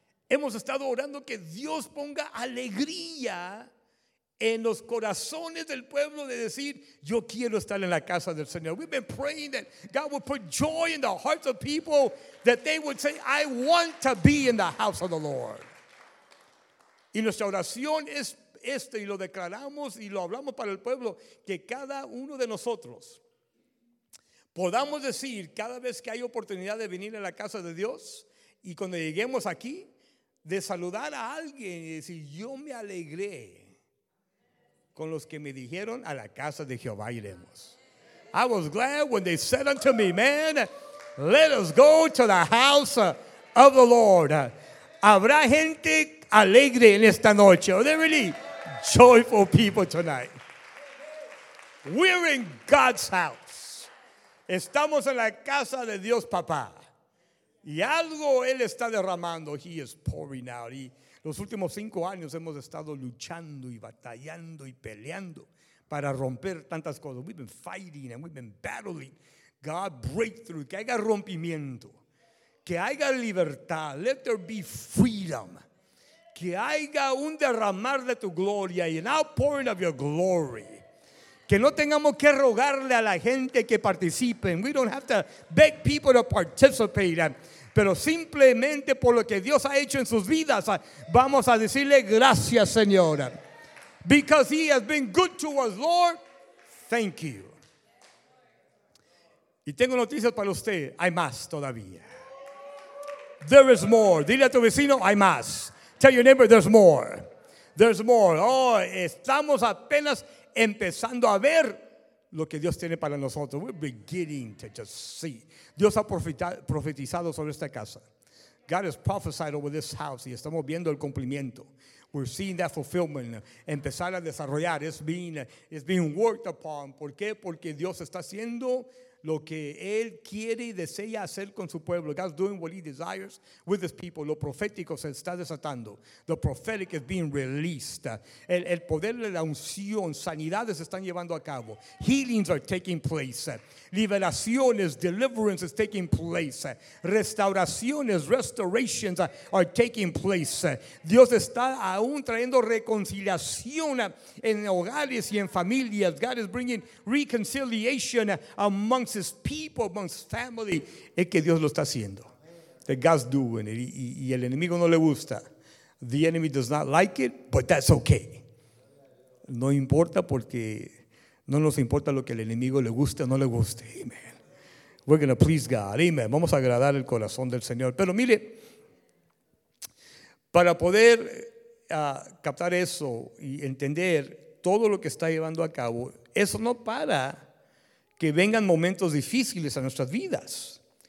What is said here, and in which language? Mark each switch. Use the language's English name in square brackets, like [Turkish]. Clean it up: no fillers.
[Spanish] Hemos estado orando que Dios ponga alegría en los corazones del pueblo de decir, yo quiero estar en la casa del Señor. [English] We've been praying that God would put joy in the hearts of people, that they would say, I want to be in the house of the Lord. [Spanish] Y nuestra oración es esto, y lo declaramos y lo hablamos para el pueblo, que cada uno de nosotros podamos decir, cada vez que hay oportunidad de venir a la casa de Dios, y cuando lleguemos aquí, de saludar a alguien y decir, yo me alegré con los que me dijeron a la casa de Jehová iremos. [English] I was glad when they said unto me, man, let us go to the house of the Lord. [Spanish] Habrá gente alegre en esta noche. [English] Are there really joyful people tonight? We're in God's house. [Spanish] Estamos en la casa de Dios, papá. Y algo Él está derramando. [English] He is pouring out. [Spanish] Y los últimos 5 años hemos estado luchando y batallando y peleando para romper tantas cosas. [English] We've been fighting and we've been battling. God, breakthrough. [Spanish] Que haya rompimiento. Que haya libertad. [English] Let there be freedom. [Spanish] Que haya un derramar de tu gloria y [English] an outpouring of your glory. [Spanish] Que no tengamos que rogarle a la gente que participen. [English] We don't have to beg people to participate. [Spanish] Pero simplemente por lo que Dios ha hecho en sus vidas, vamos a decirle gracias, Señor. [English] Because He has been good to us, Lord. Thank you. [Spanish] Y tengo noticias para usted. Hay más todavía. [English] There is more. [Spanish] Dile a tu vecino, hay más. [English] Tell your neighbor, there's more. There's more. [Spanish] Oh, estamos apenas empezando a ver lo que Dios tiene para nosotros. [English] We're beginning to just see. [Spanish] Dios ha profetizado sobre esta casa. [English] God has prophesied over this house. [Spanish] Y estamos viendo el cumplimiento. [English] We're seeing that fulfillment. [Spanish] Empezar a desarrollar. [English] It's being worked upon. [Spanish] ¿Por qué? Porque Dios está haciendo lo que Él quiere y desea hacer con su pueblo. [English] God's doing what He desires with His people. [Spanish] Lo profético se está desatando. [English] The prophetic is being released. [Spanish] El poder de la unción, sanidades se están llevando a cabo. [English] Healings are taking place. Liberaciones, deliverance is taking place. Restauraciones, restorations are taking place. [Spanish] Dios está aún trayendo reconciliación en hogares y en familias. [English] God is bringing reconciliation amongst His people, amongst family. [Spanish] Es que Dios lo está haciendo. [English] That God's doing it. [Spanish] Y el enemigo no le gusta. [English] The enemy does not like it, but that's okay. [Spanish] No importa porque no nos importa lo que el enemigo le guste o no le guste. [English] Amen. We're going to please God. Amen. [Spanish] Vamos a agradar el corazón del Señor. Pero mire, para poder captar eso y entender todo lo que está llevando a cabo, eso no para que vengan momentos difíciles a nuestras vidas.